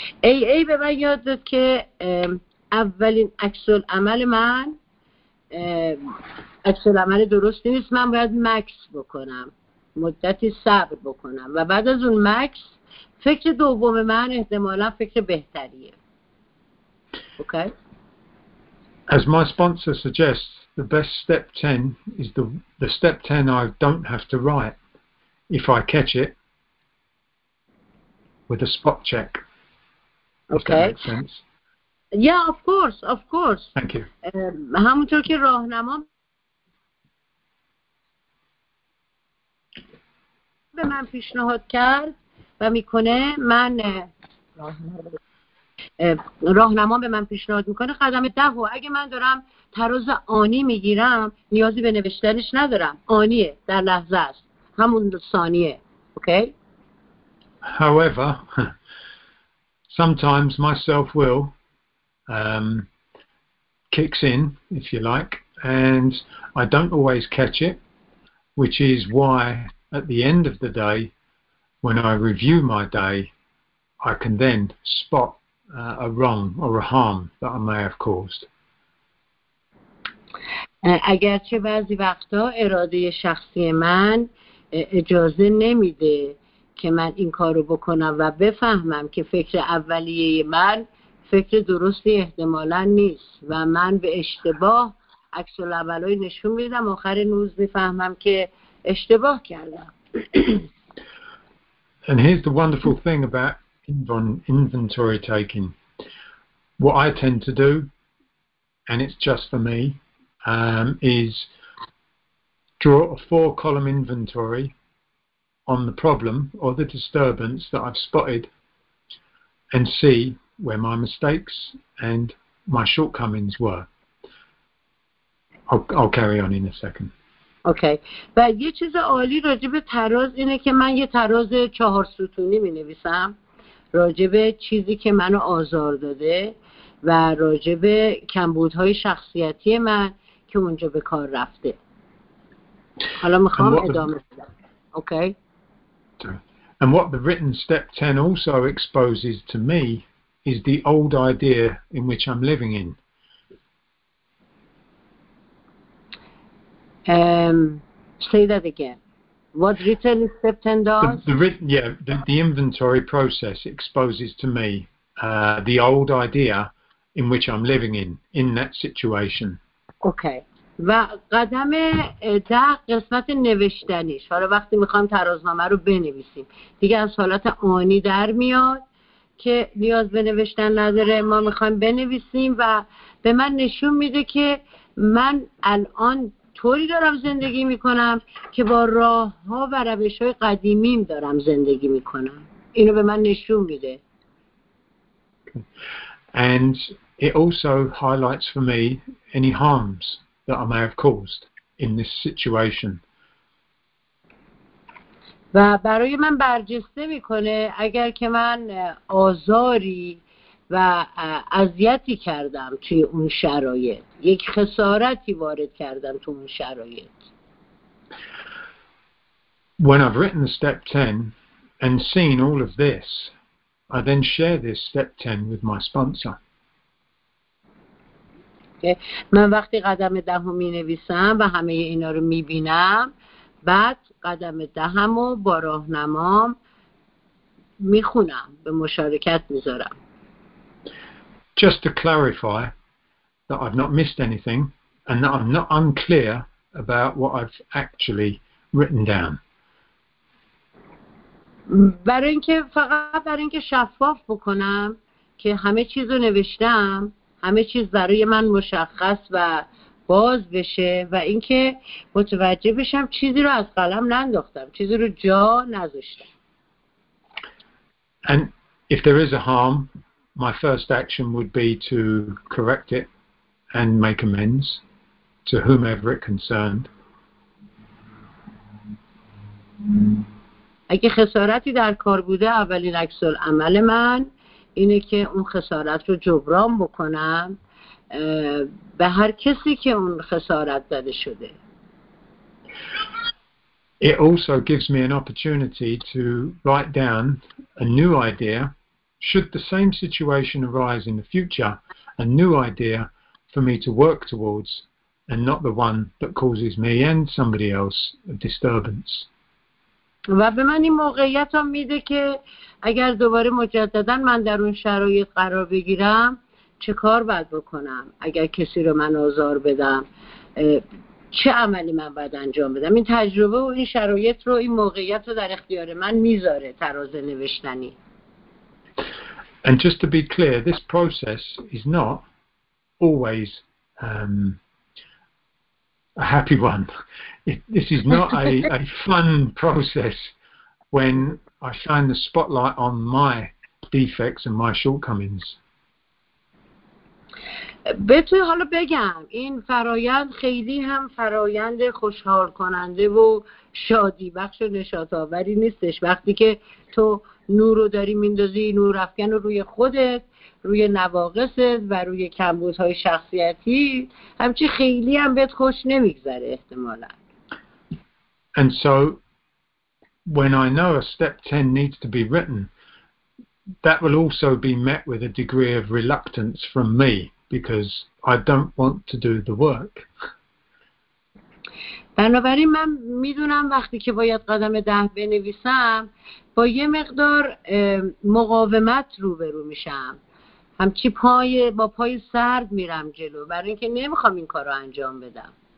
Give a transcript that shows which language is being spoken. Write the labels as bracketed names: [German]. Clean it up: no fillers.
[Persian] AA به من یاد داد که اولین عکس العمل من عکس العمل درست نیست، من باید مکس بکنم، مدتی صبر بکنم و بعد از اون مکس فکر دوم من احتمالا فکر بهتریه. [English] Okay. As my sponsor suggests, the best step 10 is the step 10 I don't have to write if I catch it with a spot check. Okay. Does that make sense? Yeah, of course, of course. Thank you. [Persian] همونطور که راهنما به من پیشنهاد کرد و میکنه، من راهنما به من پیشنهاد میکنه قدم ده و اگه من دارم تراز آنی میگیرم نیازی به نوشتنش ندارم، آنیه، در لحظه است، همون ثانیه. [English] Okay. However, sometimes my self will kicks in, if you like, and I don't always catch it, which is why at the end of the day, when I review my day, I can then spot a wrong or a harm that I may have caused. [Persian] اگرچه بعضی وقتا اراده شخصی من اجازه نمیده که من این کارو بکنم و بفهمم که فکر اولیه من فکر درستی احتمالاً نیست و من به اشتباه عکس العملای نشون میدم، آخر نوز میفهمم که اشتباه کردم. [English] And here's the wonderful thing about inventory taking. What I tend to do, and it's just for me, is draw a four-column inventory on the problem or the disturbance that I've spotted and see where my mistakes and my shortcomings were. I'll carry on in a second. Okay. [Persian] و یه چیز عالی راجع به تراز اینه که من یه تراز چهار ستونی می نویسم راجع به چیزی که منو آزار داده و راجع به کمبودهای شخصیتی من که اونجا به کار رفته. حالا میخوام ادامه بدم. Okay. [English] And what the written step 10 also exposes to me is the old idea in which I'm living in. Say that again. What written step 10 does? The inventory process exposes to me the old idea in which I'm living in that situation. Okay. [Persian] و قدم ده قسمت نوشتنیش، حالا وقتی میخوام ترازنامه رو بنویسیم دیگه از حالت آنی در میاد که نیاز به نوشتن نداره، ما میخوام بنویسیم و به من نشون میده که من الان طوری دارم زندگی میکنم که با راه ها و روش های قدیمیم دارم زندگی میکنم، اینو به من نشون میده. [English] And it also highlights for me any harms that I may have caused in this situation. [Persian] و برای من برجسته میکنه اگر که من آزاری و اذیتی کردم توی اون شرایط، یک خسارتی وارد کردم تو اون شرایط. [English] When I've written step 10 and seen all of this, I then share this step 10 with my sponsor. [Persian] من وقتی قدم دهم می نویسم و همه اینا رو می بینم، بعد قدم دهم رو با راهنمام می خونم، به مشارکت می زارم. [English] Just to clarify that I've not missed anything and that I'm not unclear about what I've actually written down. [Persian] برای اینکه شفاف بکنم که همه چیز رو نوشتم، همه چیز برای من مشخص و باز بشه و اینکه متوجه بشم چیزی رو از قلم ننداختم، چیزی رو جا نذاشتم. [English] And if there is a harm, my first action would be to correct it and make amends to whomever it concerned. [Persian] اگه خسارتی در کار بوده، اولین عکس العمل من اینه که اون خسارت رو جبران بکنم به هر کسی که اون خسارت داده شده. [English] It also gives me an opportunity to write down a new idea should the same situation arise in the future, a new idea for me to work towards and not the one that causes me and somebody else a disturbance. [Persian] و به من این موقعیت هم میده که اگر دوباره مجددن من در اون شرایط قرار بگیرم چه کار باید بکنم، اگر کسی رو من آزار بدم چه عملی من باید انجام بدم. این تجربه و این شرایط رو، این موقعیت رو در اختیار من میذاره تراز نوشتنی. [English] And just to be clear, this process is not always a happy one. This is not a fun process when I shine the spotlight on my defects and my shortcomings. [Persian] بهتون حالا بگم این فرایند خیلی هم فرایند خوشحال کننده و شادی بخش و نشاط آوری نیستش. وقتی که تو نور رو داری میندازی، نور افکن رو روی خودت، روی نواقصت و روی کمبودهای شخصیتی، همچی خیلی هم بهت خوش نمیگذره احتمالا. [English] And so when I know a step 10 needs to be written, that will also be met with a degree of reluctance from me because I don't want to do the work. [Persian] بنابراین من میدونم وقتی که باید قدم 10 بنویسم با یه مقدار مقاومت روبرو میشم. همچی با پای سرد میرم جلو برای اینکه نمیخوام این کارو انجام بدم.